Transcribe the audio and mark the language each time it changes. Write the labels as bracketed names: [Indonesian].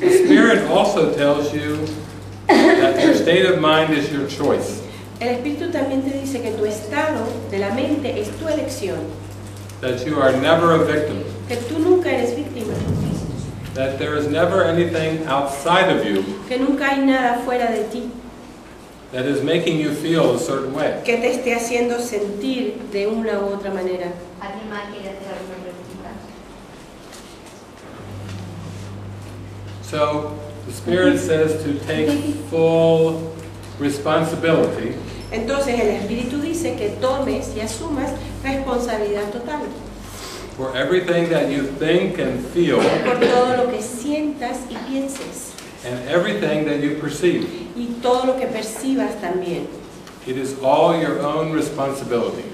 [English] The spirit also tells you that your state of mind is your choice. [Spanish] El espíritu también te dice que tu estado de la mente es tu elección. [English] That you are never a victim. [Spanish] Que tú nunca eres víctima. [English] That there is never anything outside of you. [Spanish] Que nunca hay nada fuera de ti. [English] That is making you feel a certain way. [Spanish] Que te esté haciendo sentir de una u otra manera. ¿Alguien más quiere hacer alguna pregunta? [English] So the spirit says to take full responsibility. [Spanish] Entonces el espíritu dice que tomes y asumas responsabilidad total. [English] For everything that you think and feel. [Spanish] Por todo lo que sientas y pienses. [English] And everything that you perceive. [Spanish] Y todo lo que percibas también. [English] It is all your own responsibility.